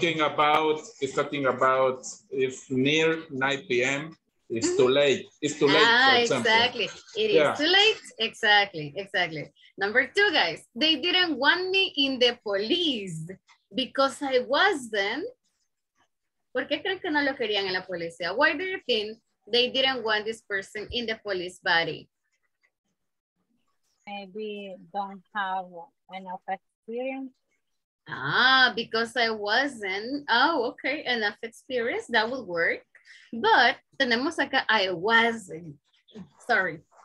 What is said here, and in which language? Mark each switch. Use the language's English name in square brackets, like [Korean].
[English] think. It's talking about if near 9 p.m. It's too late. It's too late. Ah, exactly. It is too late. Exactly. Exactly. Number two, guys. They didn't want me in the police because I wasn't. [Spanish] ¿Por qué creen que no lo querían en la policía? [English] Why do you think they didn't want this person in the police body? Maybe don't have enough experience. Ah, because I wasn't. Oh, okay. Enough experience. That would work. But, [Spanish] tenemos acá, [English] I wasn't, sorry.